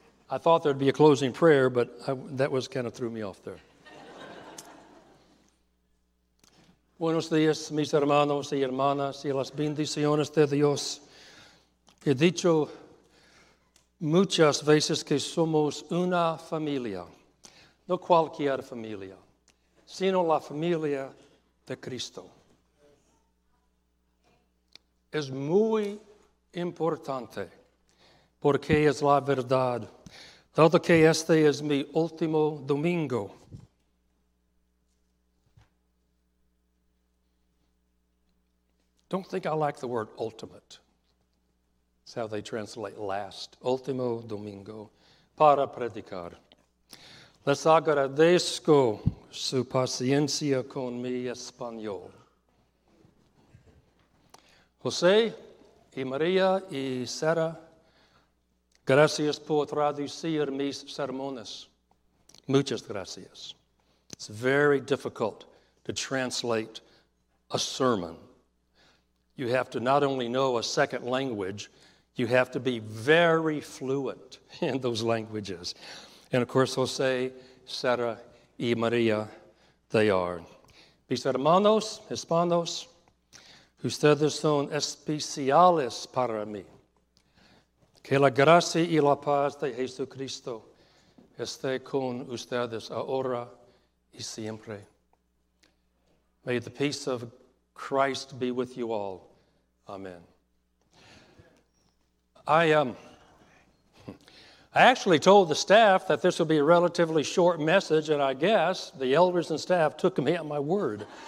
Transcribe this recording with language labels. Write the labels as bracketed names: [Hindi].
[English] I thought there'd be a closing prayer, but that was kind of threw me off there. [Spanish] Buenos días, mis hermanos y hermanas, y las bendiciones de Dios. He dicho muchas veces que somos una familia, no cualquier familia, sino la familia de Cristo. Es muy importante, porque es la verdad. Dado que este es mi último domingo, [English] don't think I like the word ultimate. That's how they translate last. [Spanish] Último domingo para predicar. Les agradezco su paciencia con mi español. José y María y Sara, gracias por traducir mis sermones. Muchas gracias. [English] It's very difficult to translate a sermon. You have to not only know a second language, you have to be very fluent in those languages. And of course, Jose, Sara, y Maria, they are. [Spanish] Mis hermanos, hispanos, ustedes son especiales para mí. Que la gracia y la paz de Jesucristo esté con ustedes ahora y siempre. [English] May the peace of Christ be with you all. Amen. I actually told the staff that this would be a relatively short message, and I guess the elders and staff took me at my word.